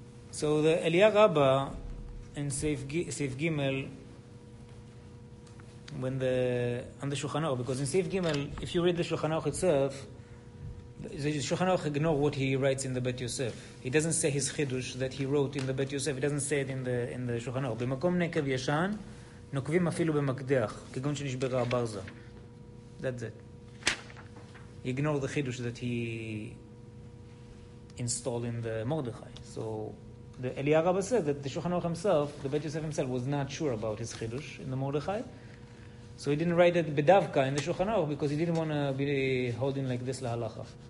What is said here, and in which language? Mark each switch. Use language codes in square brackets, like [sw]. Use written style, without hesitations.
[en] So the Eliyahu Rabba and Seif Gimel, when the on the Shulchan Aruch, because in Seif Gimel, if you read the Shulchan Aruch itself, the Shulchan Aruch ignore what he writes in the Bet Yosef. He doesn't say his chidush that he wrote in the Bet Yosef. He doesn't say it in the Shulchan Aruch. [he] B'makom nekev yeshan, נוקבים אפילו במקדח, כגון שנשברה הברזה. [en] That's it. He ignored the chidush that he installed in the Mordechai. So, the Eliyahu Rabba said that the Shulchan Aruch himself, the Bet Yosef himself, was not sure about his chidush in the Mordechai. So he didn't write it bedavka in the Shulchan Aruch because he didn't want to be holding like this lahalacha.